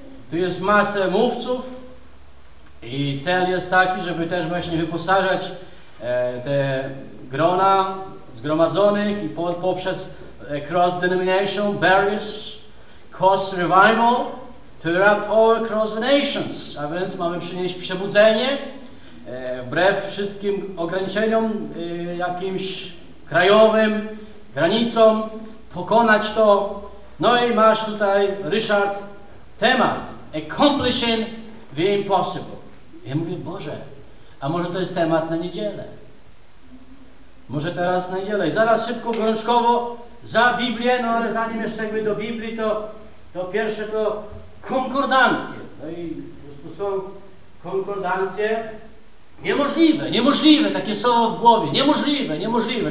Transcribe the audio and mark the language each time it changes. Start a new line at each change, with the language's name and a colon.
Polish: Tu jest masę mówców. I cel jest taki, żeby też właśnie wyposażać te grona zgromadzonych i poprzez
English: cross-denomination barriers cause revival to erupt all across the nations.
Polish: A więc mamy przynieść przebudzenie wbrew wszystkim ograniczeniom jakimś krajowym, granicom, pokonać to. No i masz tutaj, Ryszard, temat.
English: Accomplishing the impossible.
Polish: Ja mówię, Boże, a może to jest temat na niedzielę? Może teraz na niedzielę. I zaraz szybko, gorączkowo za Biblię, no ale zanim jeszcze jakby do Biblii, to pierwsze to konkordancje. No i to są konkordancje niemożliwe, takie słowo w głowie, niemożliwe.